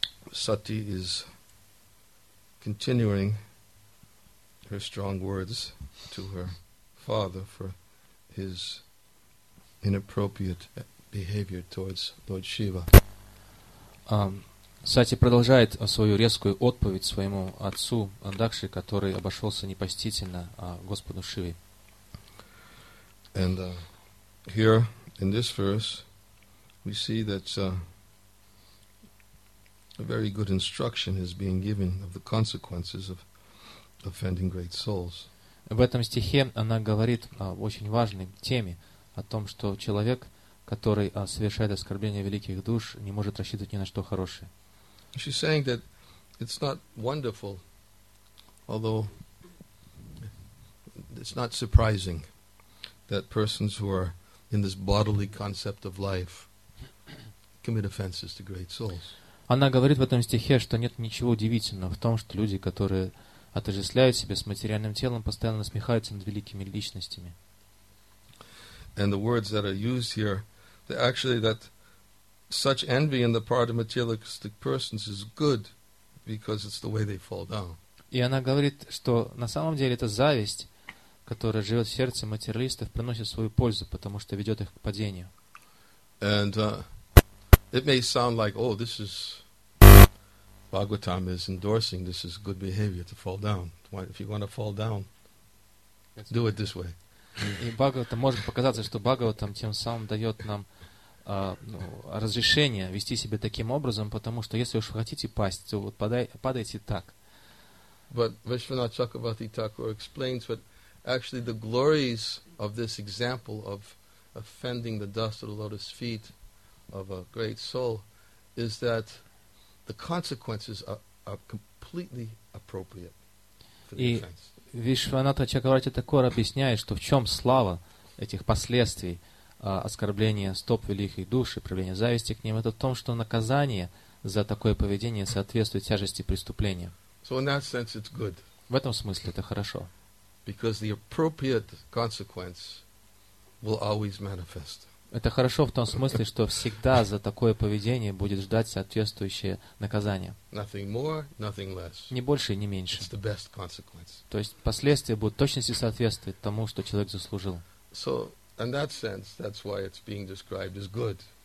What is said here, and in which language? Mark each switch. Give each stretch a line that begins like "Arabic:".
English: Sati is continuing her strong words to her father for his inappropriate behavior towards Lord Shiva.
Russian: Сати продолжает свою резкую отповедь своему отцу Андакши, который обошелся непочтительно Господу Шиве.
English: And here in this verse we see that a very good instruction is being given of the consequences of offending great souls.
Russian: В этом стихе она говорит об очень важной теме, о том, что человек, который совершает оскорбление великих душ, не может рассчитывать ни на что хорошее.
English: She's saying that it's not wonderful, although it's not surprising that persons who are in this bodily concept of life commit offenses to great souls.
Russian: Она говорит в этом стихе, что нет ничего удивительного в том, что люди, которые отождествляют себя с материальным телом, постоянно насмехаются над великими личностями.
English: And the words that are used here, they actually that such envy in the part of materialistic persons is good, because it's the way they fall down.
Russian: И она говорит, что на самом деле это зависть, которая живет в сердце материалистов, приносит свою пользу, потому что ведет их к падению.
English: And it may sound like, oh, this is Bhagavatam is endorsing this is good behavior to fall down. If you want to fall down, do it this way.
Russian: И Бхагаватам может показаться, что Бхагаватам тем самым дает нам разрешение вести себя таким образом, потому что если уж вы хотите пасть, то вот падайте так.
English: But Vishwanath Chakravarti Thakur explains that actually the glories of this example of offending the dust of the lotus feet of a great soul is that the consequences are completely appropriate for the offense.
Russian: Вишванатха Чакраварти Такура объясняет, что в чем слава этих последствий оскорбления стоп великих душ и проявления зависти к ним, это в том, что наказание за такое поведение соответствует тяжести преступления.
English: So in that sense it's good.
Russian: В этом смысле это хорошо.
English: Because the appropriate consequence will always manifest.
Russian: Это хорошо в том смысле, что всегда за такое поведение будет ждать соответствующее наказание.
English: Nothing more, nothing less.
Russian: Ни больше, ни меньше.
English: It's the best consequence.
Russian: То есть последствия будут в точности соответствовать тому, что человек заслужил.
English: So, in that sense, that's why it's being described as good.